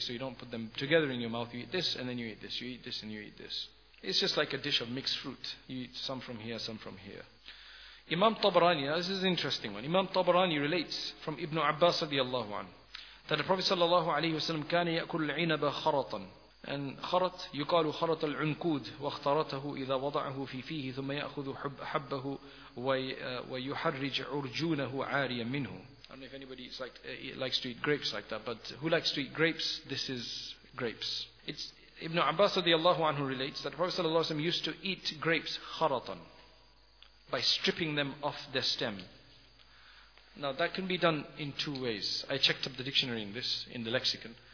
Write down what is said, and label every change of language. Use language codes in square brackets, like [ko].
[en] So you don't put them together in your mouth. You eat this and then you eat this. You eat this and you eat this. It's just like a dish of mixed fruit. You eat some from here, some from here. Imam Tabarani, this is an interesting one. Imam Tabarani relates from Ibn Abbas radiallahu anhu that the Prophet sallallahu alayhi wa sallam [ar] كان يأكل العنب خرطا. [en] And [ar] خرط يقال خرط العنكود واخترته إذا وضعه في فيه ثم يأخذ حبه ويحرج عرجونه عاريا منه. [en] I don't know if anybody likes to eat grapes like that, but who likes to eat grapes, this is grapes. It's Ibn Abbas radiallahu anhu relates that the Prophet sallallahu alayhi wa sallam used to eat grapes kharatan, by stripping them off their stem. Now that can be done in two ways. I checked up the dictionary in this, in the lexicon.